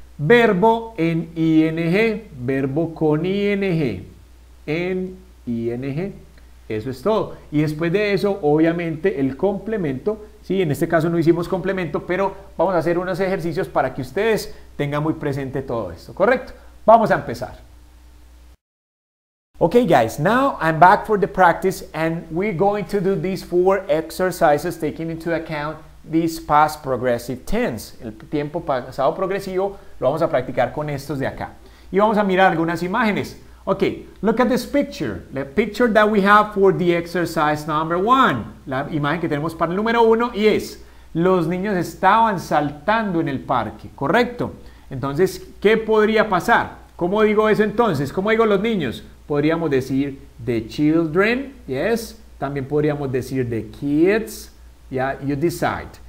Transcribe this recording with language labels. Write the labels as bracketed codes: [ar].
[es] Verbo en ing, verbo con ing, en ing. Eso es todo. Y después de eso, obviamente, el complemento. Sí, en este caso no hicimos complemento, pero vamos a hacer unos ejercicios para que ustedes tengan muy presente todo esto. ¿Correcto? Vamos a empezar. [en] Okay, guys. Now I'm back for the practice and we're going to do these four exercises taking into account this past progressive tense. [es] El tiempo pasado progresivo lo vamos a practicar con estos de acá. Y vamos a mirar algunas imágenes. [en] Okay, look at this picture, the picture that we have for the exercise number one. [es] La imagen que tenemos para el número uno y es, los niños estaban saltando en el parque, ¿correcto? Entonces, ¿qué podría pasar? ¿Cómo digo eso entonces? ¿Cómo digo los niños? Podríamos decir [en] the children, yes. [es] También podríamos decir [en] the kids, yeah, you decide.